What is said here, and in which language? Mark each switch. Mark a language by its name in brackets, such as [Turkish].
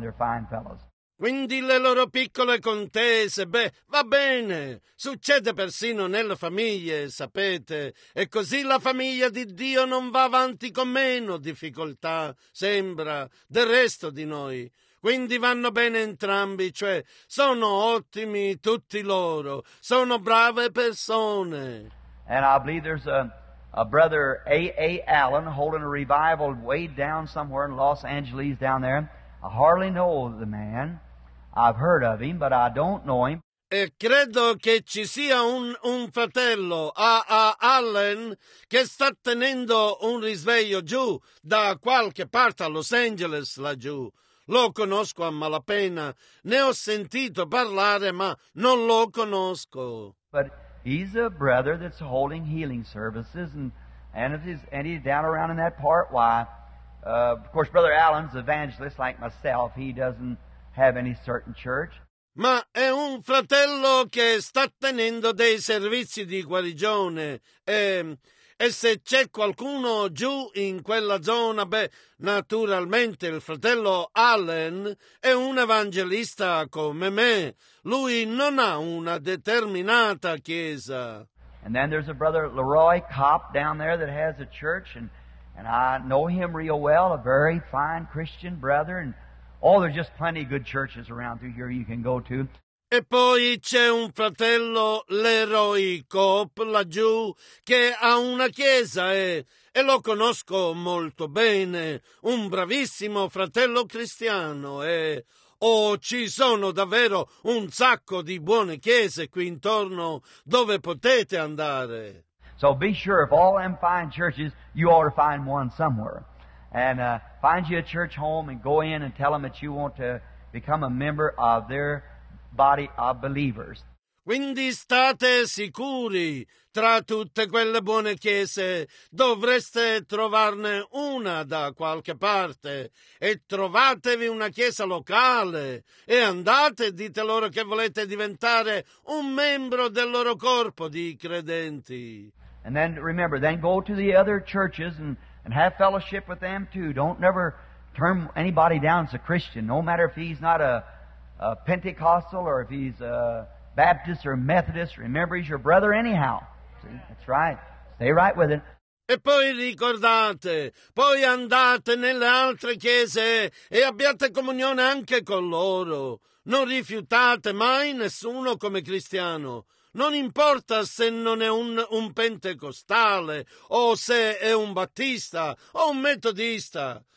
[English] They're fine fellows. [Italian] Quindi le loro piccole contese, beh, va bene, succede persino nelle famiglie, sapete, e così la famiglia di Dio non va avanti con meno difficoltà, sembra, del resto di noi. Quindi vanno bene entrambi, cioè, sono ottimi tutti loro, sono brave persone. [English] And I believe there's a brother A.A. Allen holding a revival way down somewhere in Los Angeles down there. I hardly know the man. I've heard of him, but I don't know him. [Italian] E credo che ci sia un fratello, A.A. Allen, che sta tenendo un risveglio giù, da qualche parte a Los Angeles laggiù. Lo conosco a malapena. Ne ho sentito parlare, ma non lo conosco. [English] But he's a brother that's holding healing services, and he's down around in that part. Why? Of course, Brother Allen's evangelist like myself. He doesn't have any certain church. [Italian] Ma è un fratello che sta tenendo dei servizi di guarigione. E se c'è qualcuno giù in quella zona, beh, naturalmente il fratello Allen è un evangelista come me. Lui non ha una determinata chiesa. [English] And then there's a brother Leroy Kopp down there that has a church, and I know him real well, a very fine Christian brother, and oh, there's just plenty of good churches around through here you can go to. [Italian] E poi c'è un fratello Leroy Kopp laggiù che ha una chiesa e lo conosco molto bene, un bravissimo fratello cristiano ci sono davvero un sacco di buone chiese qui intorno dove potete andare. [English] So be sure if all them fine churches, you ought to find one somewhere. And find you a church home and go in and tell them that you want to become a member of their body of believers. [Italian] Quindi state sicuri, tra tutte quelle buone chiese dovreste trovarne una da qualche parte e trovatevi una chiesa locale e andate, dite loro che volete diventare un membro del loro corpo di credenti. [English] And then remember, then go to the other churches and have fellowship with them too. Don't never turn anybody down as a Christian, no matter if he's not a Pentecostal or if he's a Baptist or Methodist. Remember, he's your brother anyhow. See, that's right. Stay right with it. [Italian] E poi ricordate, poi andate nelle altre chiese e abbiate comunione anche con loro. Non rifiutate mai nessuno come cristiano. Non importa se non è un pentecostale o se è un battista o un metodista.